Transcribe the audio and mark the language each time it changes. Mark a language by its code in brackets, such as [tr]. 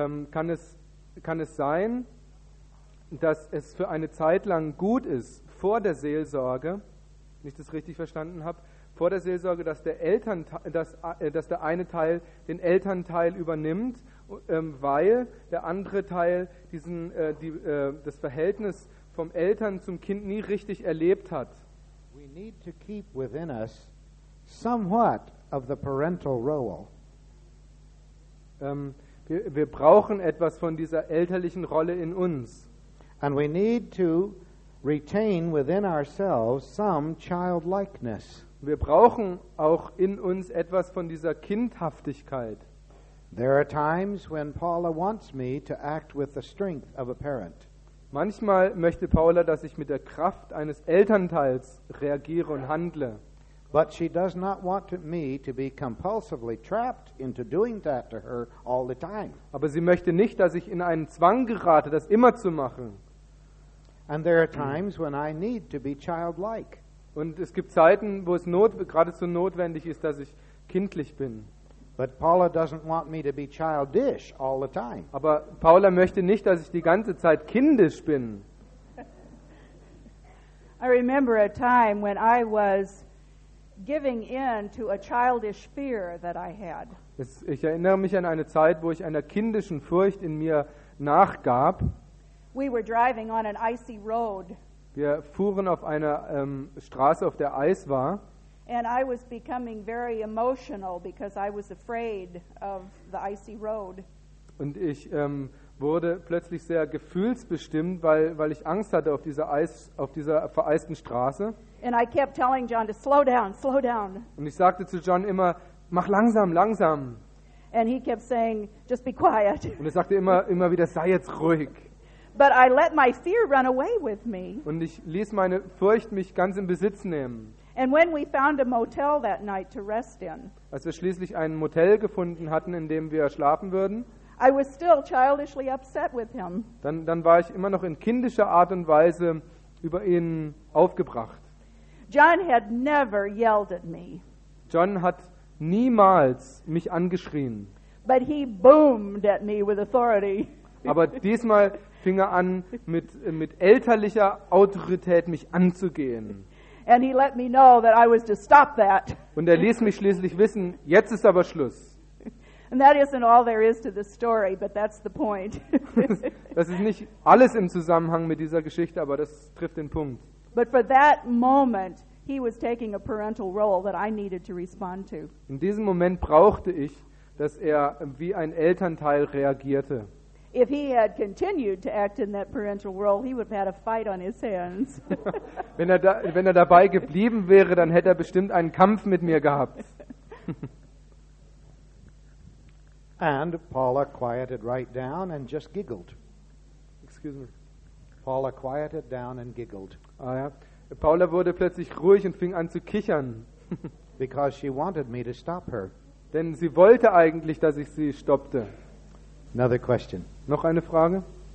[de] Kann es sein, dass es für eine Zeit lang gut ist, vor der Seelsorge, wenn ich das richtig verstanden habe, vor der Seelsorge, dass der eine Teil den Elternteil übernimmt, weil der andere Teil das Verhältnis vom Eltern zum Kind nie richtig erlebt hat. [en] We need to keep within us somewhat of the parental role. [de] Wir brauchen etwas von dieser elterlichen Rolle in uns. [en] And we need to retain within ourselves some childlikeness. [de] Wir brauchen auch in uns etwas von dieser Kindhaftigkeit. [en] There are times when Paula wants me to act with the strength of a parent. [de] Manchmal möchte Paula, dass ich mit der Kraft eines Elternteils reagiere und handle. [en] But she does not want me to be compulsively trapped into doing that to her all the time. [de] Aber sie möchte nicht, dass ich in einen Zwang gerate, das immer zu machen. [en] And there are times when I need to be childlike. [de] Und es gibt Zeiten, wo es geradezu notwendig ist, dass ich kindlich bin. [en] But Paula doesn't want me to be childish all the time. [de] Aber Paula möchte nicht, dass ich die ganze Zeit kindisch bin. [en] I remember a time when I was giving in to a childish fear that I had. [de] Ich erinnere mich an eine Zeit, wo ich einer kindischen Furcht in mir nachgab. [en] We were driving on an icy road. [de] Wir fuhren auf einer Straße, auf der Eis war. [en] And I was becoming very emotional because I was afraid of the icy road. [de] Und ich wurde plötzlich sehr gefühlsbestimmt, weil ich Angst hatte auf dieser vereisten Straße. [en] And I kept telling John to slow down, slow down. [de] Und ich sagte zu John immer, mach langsam, langsam. [en] And he kept saying, just be quiet. [de] Und er sagte immer wieder, sei jetzt ruhig. [en] But I let my fear run away with me. [de] Und ich ließ meine Furcht mich ganz in Besitz nehmen. [en] And when we found a motel that night to rest in. [de] Als wir schließlich ein Motel gefunden hatten, in dem wir schlafen würden. [en] I was still childishly upset with him. [de] Dann war ich immer noch in kindischer Art und Weise über ihn aufgebracht. [en] John had never yelled at me. [de] John hat niemals mich angeschrien. [en] But he boomed at me with authority. [de] Aber diesmal fing er an, mit elterlicher Autorität mich anzugehen. [en] And he let me know that I was to stop that. [de] Und er ließ mich schließlich wissen, jetzt ist aber Schluss. [en] And that isn't all there is to the story, but that's the point. [de] Das ist nicht alles im Zusammenhang mit dieser Geschichte, aber das trifft den Punkt. [en] But for that moment, he was taking a parental role that I needed to respond to. [de] In diesem Moment brauchte ich, dass er wie ein Elternteil reagierte. [en] If he had continued to act in that parental role, he would have had a fight on his hands. [de] Wenn er dabei geblieben wäre, dann hätte er bestimmt einen Kampf mit mir gehabt. [en] And Paula quieted right down and just giggled. Excuse me. Paula quieted down and giggled. [de] Ah ja. Paula wurde plötzlich ruhig und fing an zu kichern. [en] Because she wanted me to stop her. [de] Denn sie wollte eigentlich, dass ich sie stoppte. [en] Another question. [de] Noch eine Frage?